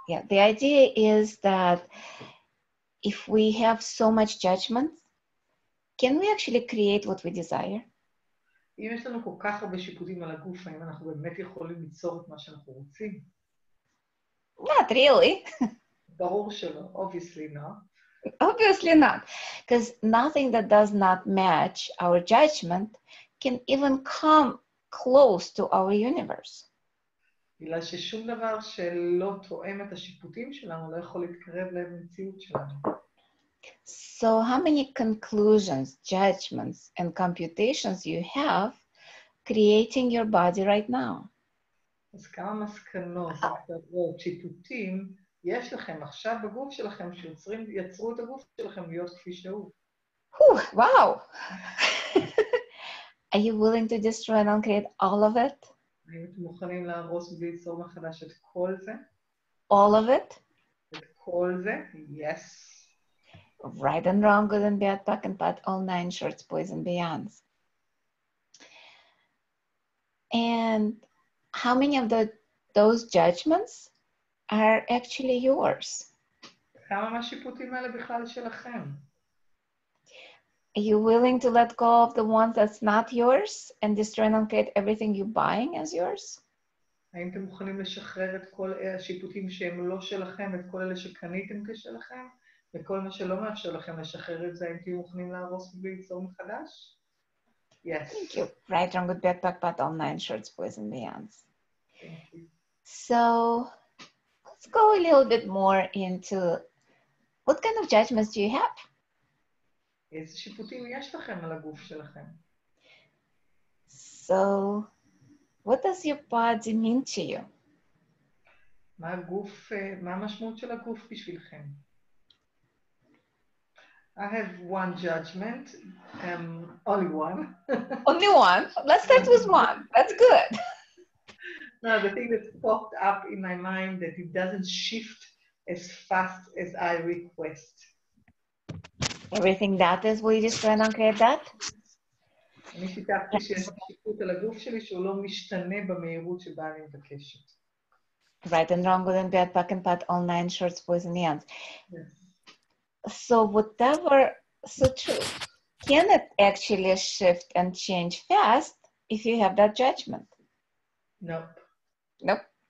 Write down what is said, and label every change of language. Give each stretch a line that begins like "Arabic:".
English: The idea is that if we have so much judgment, can we actually create what we desire?
Hebrew: אם יש לנו כל כך הרבה שיפוטים על הגוף, האם אנחנו באמת יכולים ליצור את מה שאנחנו רוצים?
English: Not really.
Hebrew: ברור שלא,
English: obviously not. Obviously not, because nothing that does not match our judgment can even come close to our universe.
Hebrew: בגלל ששום דבר שלא תואם את השיפוטים שלנו לא יכול להתקרב למציאות שלנו.
English: So how many conclusions, judgments, and computations you have creating your body right now?
Hebrew: אז כמה מסקנות, הכתבות, שיפוטים יש לכם עכשיו בגוף שלכם שיוצרים, יצרו את הגוף שלכם להיות כפי שהוא? וואו!
English: Are you willing to destroy and uncreate all of it?
Hebrew: האם אתם מוכנים להרוס וליצור מחדש את כל זה?
English: All of it?
Hebrew: את כל זה? Yes.
English: Right and wrong, good and bad, pack and pat, all nine shirts, boys and beyonds. And how many of those judgments are actually yours?
Hebrew: כמה מהשיפוטים האלה בכלל שלכם?
English: Are you willing to let go of the ones that's not yours and destroy and uncreate everything you're buying as yours?
Hebrew: האם אתם מוכנים לשחרר את כל השיפוטים שהם לא שלכם, את כל אלה שקניתם כשלכם? וכל מה שלא מאפשר לכם לשחרר את זה, האם תהיו מוכנים להרוס וליצור מחדש?
English: Yes. Thank you. Right, wrong, good, back, but all nine shirts, boys and beyonds. So, let's go a little bit more into what kind of judgments do you have?
Hebrew: איזה שיפוטים יש לכם על הגוף שלכם?
English: So, what does your body mean to you?
Hebrew: מה הגוף, מה המשמעות של הגוף בשבילכם?
English: I have one judgment, only one. Only one? Let's start with one. That's good. No, the thing that popped up in my mind that it doesn't shift as fast as I request. Everything that is, will you just try and uncreate that?
Hebrew: אני שיתפתי שיש שיפוט על הגוף שלי שהוא לא משתנה במהירות שבה אני מבקשת.
English: Right and wrong, good and bad, pack and pat, all nine shorts, boys and beyonds. So whatever, so true, can it actually shift and change fast if you have that judgment? Nope.